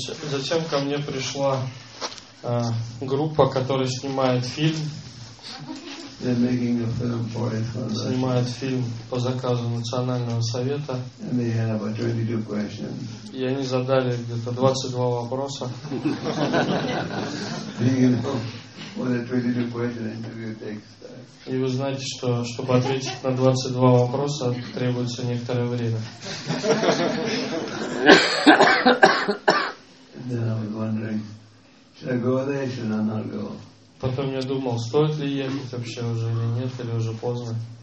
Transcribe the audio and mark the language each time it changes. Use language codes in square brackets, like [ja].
[ru] Затем ко мне пришла группа, которая снимает фильм. [en] They're making a film for it for the. [ru] Снимает фильм по заказу Национального совета. [en] And they had about 22 questions. [ru] И они задали где-то 22 вопроса. И вы знаете, что чтобы ответить на 22 вопроса, требуется некоторое время. [en] Then I was wondering, should I go there or should I not go? [ru] Потом я думал, стоит ли ехать вообще уже или нет, или уже поздно.